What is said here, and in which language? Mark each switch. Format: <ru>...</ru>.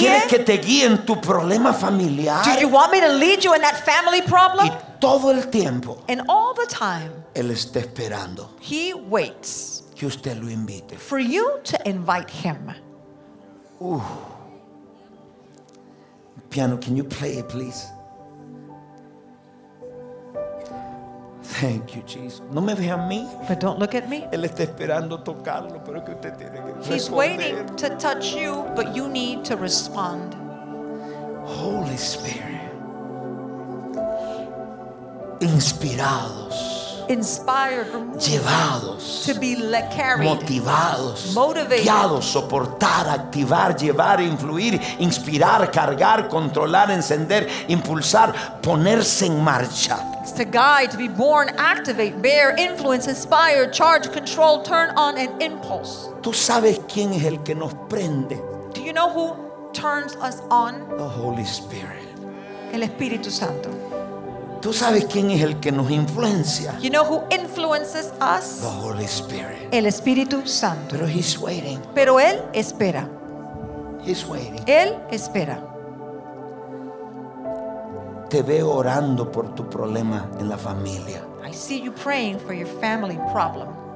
<es>¿Quieres que te guíe en tu problema familiar?</es> <en>Do you want me to lead you in that family problem?</en> <es>Y todo el tiempo.</es> <en>And all the time.</en> <es>Él está esperando.</es> <en>He waits.</en> <es>Que usted lo invite.</es> <en>For you to invite him. Ooh. Piano, can you play it, please? Thank you, Jesus.</en> <es>No me ve a mí.</es> <en>But don't look at me.</en> <es>Él está esperando tocarlo, pero que usted tiene que responder.</es> <en>He's waiting to touch you, but you need to respond. Holy Spirit.</en> <es>Inspirados.</es> <en>Inspired, removed,</en> <es>llevados,</es> <en>to be led, carried,</en> <es>motivados,</es> <en>motivated,</en> <es>guiados, soportar, activar, llevar, influir, inspirar, cargar, controlar, encender, impulsar, ponerse en marcha.</es> <en>It's to guide, to be born, activate, bear, influence, inspire, charge, control, turn on an impulse.</en> <es>¿Tú sabes quién es el que nos prende?</es> <en>Do you know who turns us on? The Holy Spirit.</en> <es>El Espíritu Santo. ¿Tú sabes quién es el que nos influencia?</es> <en>You know who influences us? The Holy Spirit.</en> <es>El Espíritu Santo. Pero</es> <en>he's waiting.</en> <es>Pero él espera.</es> <en>He's waiting.</en> <es>Él espera. Te veo orando por tu problema en la familia.</es> <en>I see you praying for your family problem.</en>